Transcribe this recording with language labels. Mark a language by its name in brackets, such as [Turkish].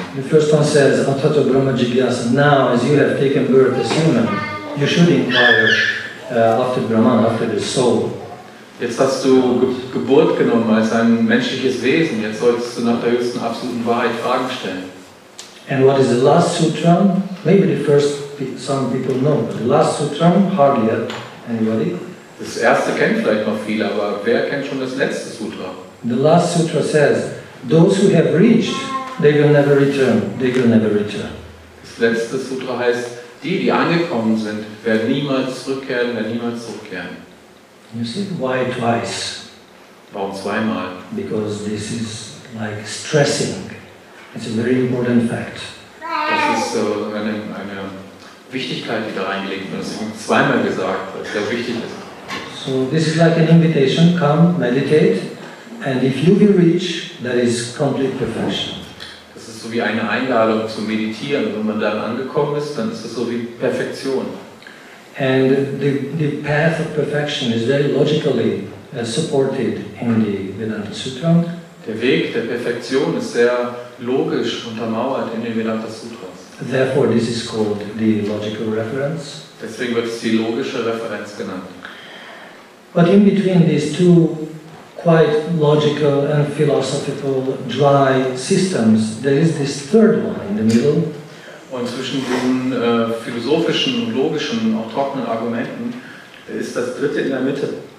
[English] The first one says, Atato Brahma Jigyasa, now as you have taken birth as human, you should inquire after Brahman, after the soul. [German] Jetzt hast du Geburt genommen als ein menschliches Wesen. Jetzt solltest du nach der höchsten absoluten Wahrheit Fragen stellen. [English] And what is the last sutra? Maybe the first some people know. But the last sutra, hardly yet. Anybody? [German] Das erste kennt vielleicht noch viele, aber wer kennt schon das letzte Sutra? [English] The last sutra says, those who have reached, they will never return. They will never return. [German] Das letzte Sutra heißt, die, die angekommen sind, werden niemals zurückkehren. [English] You see, why twice? [German] Warum zweimal? [English] Because this is like stressing. It's a very important fact. [German] Das ist so eine Wichtigkeit, die da reingelegt wird. Das ist zweimal gesagt, was sehr wichtig ist. [English] So this is like an invitation. Come, meditate. And if you will reach, that is complete perfection. [German] Das ist so wie eine Einladung zu meditieren. Wenn man dann angekommen ist, dann ist das so wie Perfektion. [English] And the path of perfection is very logically supported in the Vedanta Sutra. [German] Der Weg der Perfektion ist sehr logisch untermauert in den Vedanta Sutras. [English] Therefore, this is called the logical reference. [German] Deswegen wird es die logische Referenz genannt. [English] But in between these two quite logical and philosophical dry systems, there is this third one in the middle. [German] Und zwischen diesen philosophischen und logischen, auch trockenen Argumenten, ist das dritte in der Mitte.